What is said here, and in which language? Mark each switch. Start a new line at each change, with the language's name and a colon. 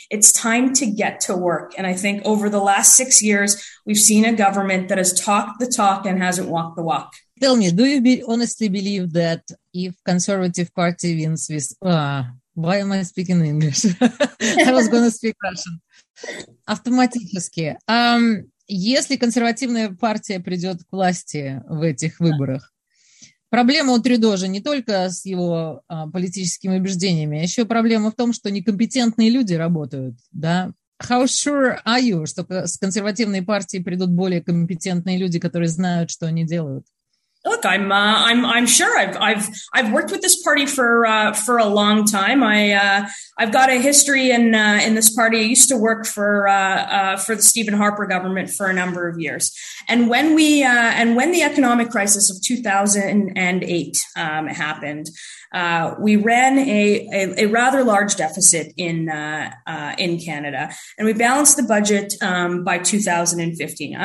English: It's time to get to work. And I think over the last 6 years, we've seen a government that has talked the talk and hasn't walked the walk. Tell me, do you honestly believe that if Conservative Party wins with... why am I speaking English? I was going to speak Russian.
Russian: Автоматически. Если консервативная партия придет к власти в этих выборах, проблема у Трюдо же не только с его политическими убеждениями, еще проблема в том, что некомпетентные люди работают, да?
English: How sure are you,
Russian: что с консервативной партии придут более компетентные люди, которые знают, что они делают?
English: Look, I'm sure. I've worked with this party for a long time. I've got a history in this party. I used to work for the Stephen Harper government for a number of years. And when when the economic crisis of 2008 happened, we ran a rather large deficit in Canada, and we balanced the budget by 2015.